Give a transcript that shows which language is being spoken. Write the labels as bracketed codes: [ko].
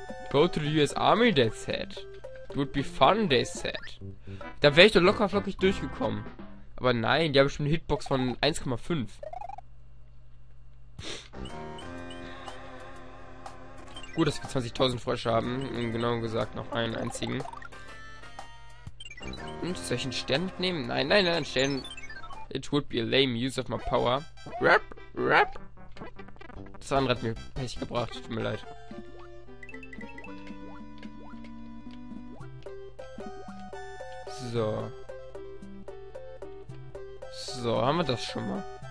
[en] Go to the US Army, they said. Would be fun, they said. [de] Da wäre ich doch locker flockig durchgekommen. Aber nein, die haben schon eine Hitbox von 1,5. Gut, dass wir 20.000 Frösche haben. Genau gesagt, noch einen einzigen. Und soll ich einen Stern mitnehmen? Nein, nein, nein, Stern. [en] It would be a lame use of my power. Rap, rap. [de] Das andere hat mir Pech gebracht. Tut mir leid. So. So, haben wir das schon mal.